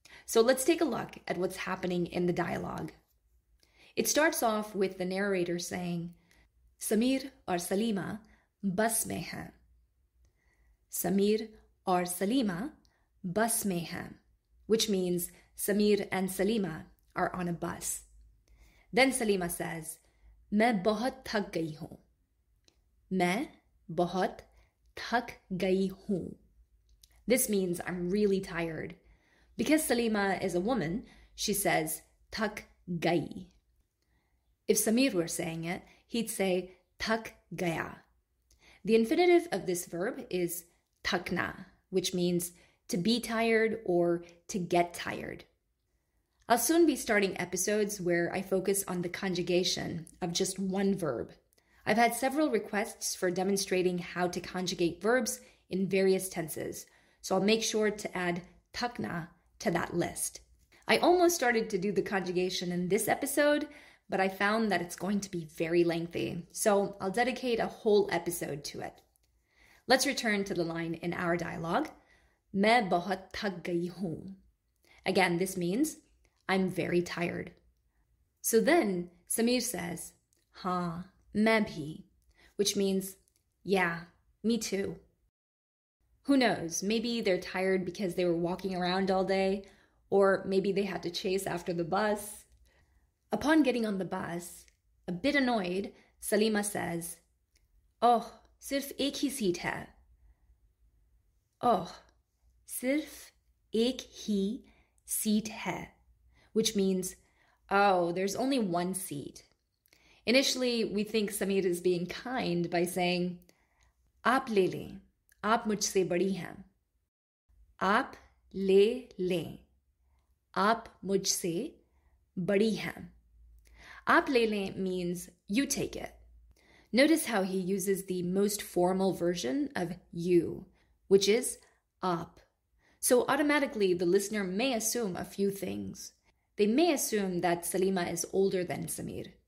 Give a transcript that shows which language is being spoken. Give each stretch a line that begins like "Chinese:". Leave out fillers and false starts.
English: So let's take a look at what's happening in the dialogue. It starts off with the narrator saying,
Urdu: Sameer اور سلیمہ بس میں ہیں. سمیر اور سلیمہ بس میں ہیں,
English: which means Samir and Salima are on a bus. Then Salima says,
Urdu: میں بہت تھک گئی ہوں. میں بہت تھک گئی ہوں.
English: This means I'm really tired. Because Salima is a woman, she says, thak gayi. If Samir were saying it, he'd say, thak gaya. The infinitive of this verb is thakna, which means to be tired or to get tired. I'll soon be starting episodes where I focus on the conjugation of just one verb. I've had several requests for demonstrating how to conjugate verbs in various tenses, so I'll make sure to add takna to that list. I almost started to do the conjugation in this episode, but I found that it's going to be very lengthy, so I'll dedicate a whole episode to it. Let's return to the line in our dialogue.
Urdu: میں بہت تھک گئی ہوں.
English: Again, this means I'm very tired. So then Samir says,
Urdu: Ha, main bhi,
English: which means, yeah, me too. Who knows, maybe they're tired because they were walking around all day, or maybe they had to chase after the bus. Upon getting on the bus, a bit annoyed, Salima says,
Urdu: Oh, sirf ek hi seat hai. اوہ, صرف ایک ہی set ہے.
English: Which means, oh, there's only one seat. Initially, we think Samir is being kind by saying,
Urdu: آپ لے لیں, آپ مجھ سے بڑی ہیں. آپ لے لیں, آپ مجھ سے بڑی ہیں. Aap le le
English: means, you take it. Notice how he uses the most formal version of you, which is aap. So automatically, the listener may assume a few things. They may assume that Salima is older than Samir.